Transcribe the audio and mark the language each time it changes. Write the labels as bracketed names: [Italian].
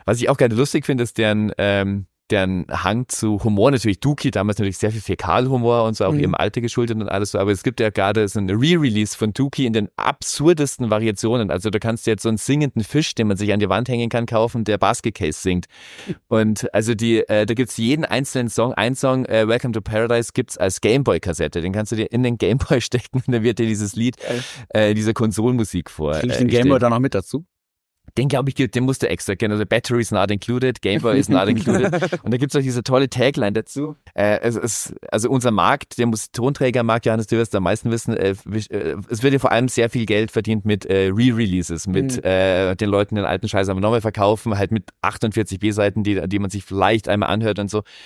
[German] Was ich auch gerne lustig finde, ist deren Hang zu Humor, natürlich Dookie, damals natürlich sehr viel Fäkalhumor und so, auch ihrem Alter geschuldet und alles so, aber es gibt ja gerade so eine Re-Release von Dookie in den absurdesten Variationen, also du kannst jetzt so einen singenden Fisch, den man sich an die Wand hängen kann, kaufen, der Basket Case singt und also die, da gibt's jeden einzelnen Song, ein Song, Welcome to Paradise gibt's als Gameboy-Kassette, den kannst du dir in den Gameboy stecken und dann wird dir dieses Lied, diese Konsolenmusik vor. Kriegst du den Gameboy da noch mit dazu? Den, glaube ich, den musst du extra kennen. [English] Also Batteries not included, Gameboy is not included. [German] Und da gibt's auch diese tolle Tagline dazu. Also unser Markt, der muss Tonträgermarkt, Johannes, du wirst am meisten wissen, es wird ja vor allem sehr viel Geld verdient mit Re-Releases, mit den Leuten den alten Scheiß aber nochmal verkaufen, halt mit 48 B-Seiten, die man sich vielleicht einmal anhört und so.